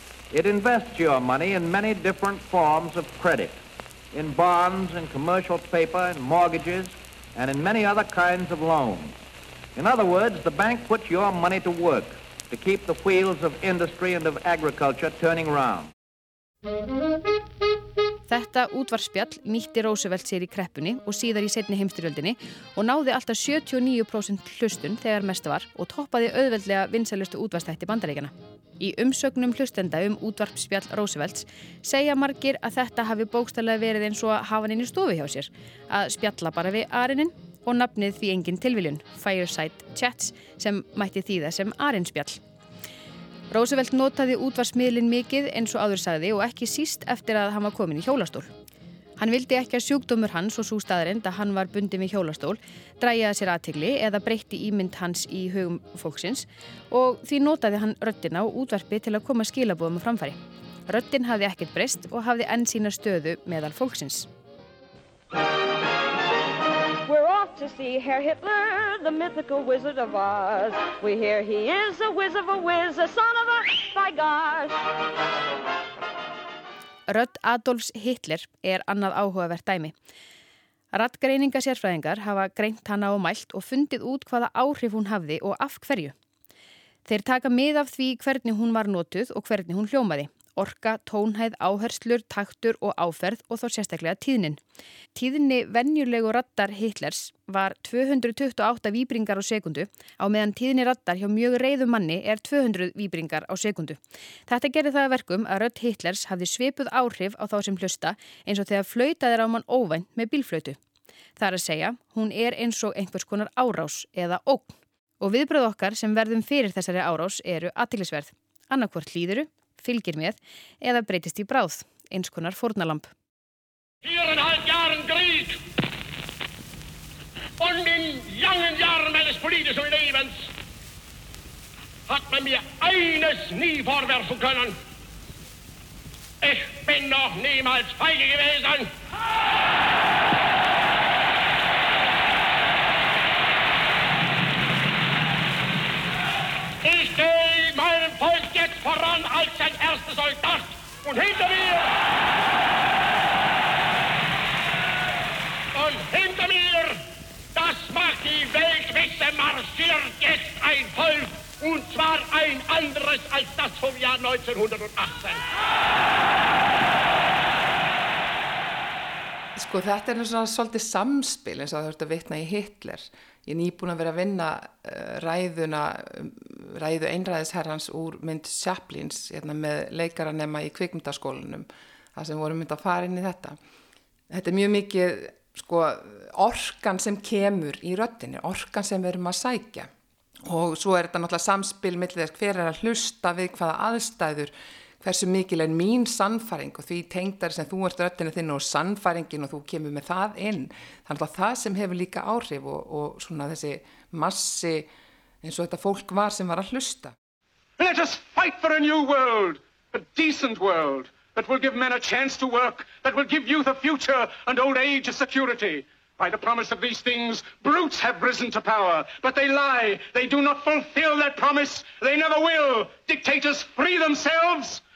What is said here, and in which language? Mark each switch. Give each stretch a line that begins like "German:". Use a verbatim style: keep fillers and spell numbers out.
English: It invests your money in many different forms of credit, in bonds, in commercial paper, in mortgages, and in many other kinds of loans. In other words, the bank puts your money to work to keep the wheels of industry and of agriculture turning round.
Icelandic: Þetta útvarpsspjall nýtti Roosevelt sér í kreppunni og síðar í seinni heimsstyrjöldinni og náði alltaf sjötíu og níu prósent hlustun þegar mest var og toppaði auðveldlega vinsælustu útvarpsþætti Bandaríkjanna. Í umsögnum hlustenda um útvarpsspjall Roosevelts segja margir að þetta hafi bókstaflega verið eins og að hafa hann inn í stofu hjá sér, að spjalla bara við arininn og nafnið því engin tilviljun, Fireside Chats, sem mætti þýða sem arinspjall. Roosevelt notaði útvarpsmiðlinn mikið eins og áður sagði og ekki síst eftir að hann var kominn í hjólastól. Hann vildi ekki að sjúkdómur hans og sú staðreynd að hann var bundinn í hjólastól drægi að sér athygli eða breytti ímynd hans í hugum fólksins og því notaði hann röddina og útvarpi til að koma skilaboðum á framfæri. Röddin hafði ekkert breyst og hafði enn sína stöðu meðal fólksins.
English: To see Herr Hitler, the mythical Wizard of Oz. We hear he is a wizard of a wizard, a son of a by God.
Icelandic: Rödd Adolfs Hitler er annað áhugavert dæmi. Raddgreininga sérfræðingar hafa greint hana og mælt og fundið út hvaða áhrif hún hafði og af hverju. Þeir taka mið af því hvernig hún var notuð og hvernig hún hljómaði. Orka, tónhæð, áherslur, taktur og áferð og þá sérstaklega tíðnin. Tíðni venjulegu raddar Hitlers var tvö hundruð tuttugu og átta víbringar á sekundu á meðan tíðni raddar hjá mjög reiðum manni er tvö hundruð víbringar á sekundu. Þetta gerði það að verkum að rödd Hitlers hafði svipuð áhrif á þá sem hlusta eins og þegar flautaði ráman óvænt með bílflautu. Það er að segja, hún er eins og einhvers konar árás eða ógn. Og viðbröð okkar sem verðum fyrir þessari árás eru athyglisverð. Annaðhvort hlýðirðu, fylgir með eða breytist í bráð, eins konar fórnalamb.
German: Viereinhalb Jahren Krieg und in jungen Jahren meines politischen Lebens hat man mir eines nie vorwerfen können. Ich bin noch niemals feige gewesen. Ich gehe meinem Volk jetzt voran als ein erster Soldat und hinter mir und hinter mir, das macht die Welt wissen, marschiert jetzt ein Volk und zwar ein anderes als das vom Jahr neunzehnhundertachtzehn.
Icelandic: Sko þetta er svona svolítið samspil eins og þú ert að vitna í Hitler. Ég er nýbúin að vera að vinna ræðuna, ræðu einræðisherrans úr mynd Chaplins hérna, með leikaranema í kvikmyndaskólanum, þar sem vorum mynd að fara inn í þetta. Þetta er mjög mikið sko, orkan sem kemur í röddinni, orkan sem við erum að sækja. Og svo er þetta náttúrulega samspil milli þess hver er að hlusta við hvaða aðstæður, hversu mikil er mín sannfæring og því tengdari sem þú ert röddina þinn og sannfæringin og þú kemur með það inn. Þannig að það sem hefur líka áhrif og, og svona þessi massi eins og þetta fólk var sem var að hlusta.
English: Let us fight for a new world, a decent world that will give men a chance to work, that will give youth a future and old age a security. By the promise of these things, brutes have risen to power, but they lie. They do not fulfill that promise. They never will. Dictators free themselves.